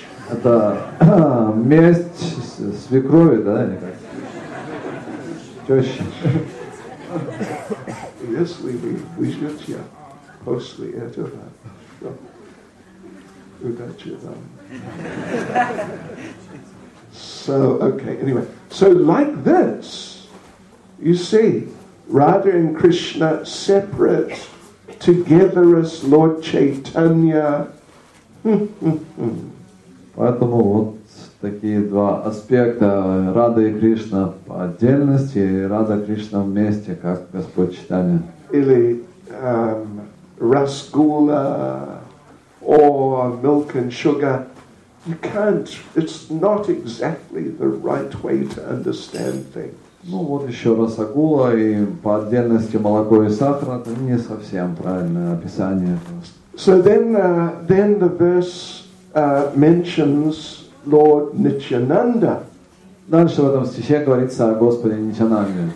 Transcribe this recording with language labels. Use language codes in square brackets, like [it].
[ru] Это месть свекрови, да? Тёщи. Если вы выжмёте после этого, то удачи вам. [en] So, okay, anyway. So, like this, you see, Radha and Krishna separate, together as Lord Chaitanya. [ru] Поэтому вот такие два аспекта, Рада и Кришна по отдельности, и Рада Кришна вместе, как Господь Чайтанья. Или Расгула, [en] or milk and sugar. You can't, it's not exactly the right way to understand things. [ru] Ну вот еще Расгула, и по отдельности молоко и сахар, это не совсем правильное описание. [en] So then the verse mentions Lord Nityananda. [ru] Дальше в этом стихе говорится о Господе Нитянанде.